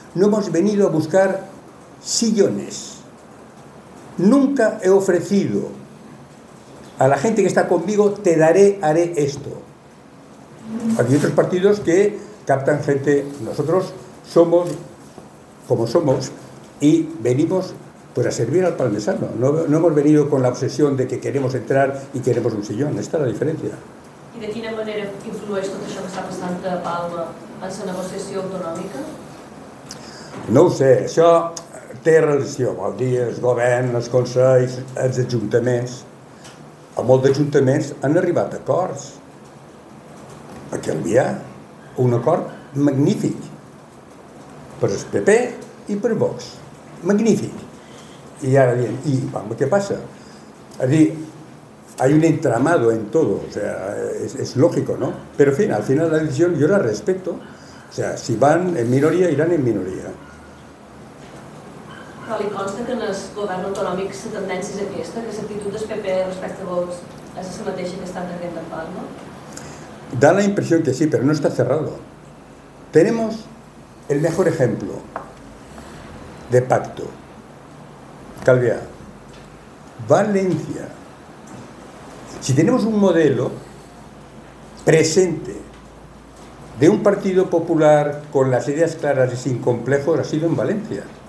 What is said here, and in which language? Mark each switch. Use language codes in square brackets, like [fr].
[es] No hemos venido a buscar sillones. Nunca he ofrecido a la gente que está conmigo, te daré, haré esto. Hay otros partidos que captan gente. Nosotros somos como somos, y venimos pues a servir al palmesano. No hemos venido con la obsesión de que queremos entrar y queremos un sillón. Esta es la diferencia. [ca] ¿Y de quina manera influeix tot això que està passant a Palma en la negociació autonòmica? No ho sé, això té relació, vol dir, el govern, els consells, els ajuntaments. A molts ajuntaments han arribat a acords. Aquell dia, un acord magnífic. Per el PP i per Vox. Magnífic. I ara dient, i home, què passa? És a dir, [es] hay un entramado en todo, o sea, es lógico, ¿no? Pero al final la decisión yo la respeto. O sea, si van en minoría, irán en minoría. [ca] Però li consta que en el govern autonòmic la tendència és aquesta, que l'actitud del PP respecte a Vox és la mateixa que està tenint en Palma? Da la impressió que sí, però no està cerrado. [es] Tenemos el mejor ejemplo de pacto. Calvià, València. Si tenemos un modelo presente de un partido popular con las ideas claras y sin complejos, ha sido en València.